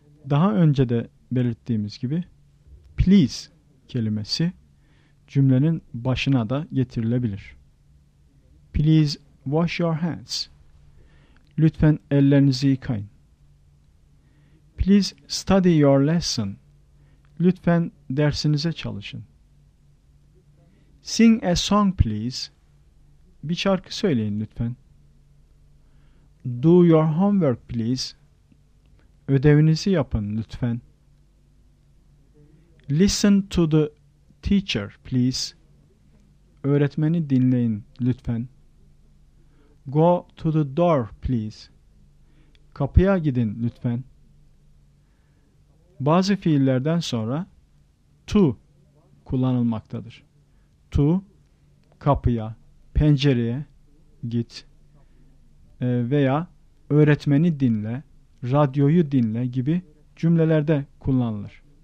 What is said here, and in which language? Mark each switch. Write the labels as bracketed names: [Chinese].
[Turkish] Daha önce de belirttiğimiz gibi please kelimesi cümlenin başına da getirilebilir. [English] Please wash your hands. [Turkish] Lütfen ellerinizi yıkayın. [English] Please study your lesson. [Turkish] Lütfen dersinize çalışın. [English] Sing a song please. [Turkish] Bir şarkı söyleyin lütfen. [English] Do your homework please. [Turkish] Ödevinizi yapın lütfen. [English] Listen to the teacher please. [Turkish] Öğretmeni dinleyin lütfen. [English] Go to the door please. [Turkish] Kapıya gidin lütfen. Bazı fiillerden sonra to kullanılmaktadır. To, kapıya, pencereye git veya öğretmeni dinle, radyoyu dinle gibi cümlelerde kullanılır.